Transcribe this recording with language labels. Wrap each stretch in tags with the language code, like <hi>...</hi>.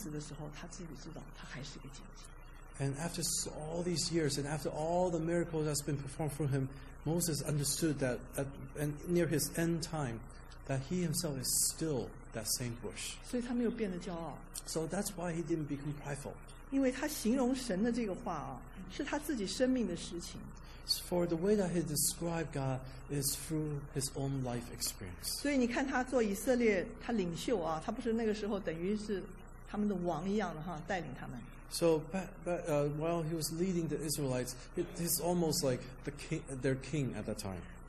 <zh>经过这么多年，借着他行了这么多神迹奇事，到自己临死的时候，他自己知道他还是个荆棘。</zh> <en>And after all these years, and after all the miracles that's been performed for him, Moses understood that at near his end time, that he himself is still that same bush.</en> <zh>所以他没有变得骄傲。</zh> <en>So that's why he didn't become prideful.</en> <zh>因为他形容神的这个话啊，是他自己生命的实情。</zh> <en>For the way that he described God is through his own life experience.</en> <zh>所以你看他做以色列，他领袖啊，他不是那个时候等于是他们的王一样的哈，带领他们。</zh> <en>So, while he was leading the Israelites, he's almost like the king, their king at that time.</en>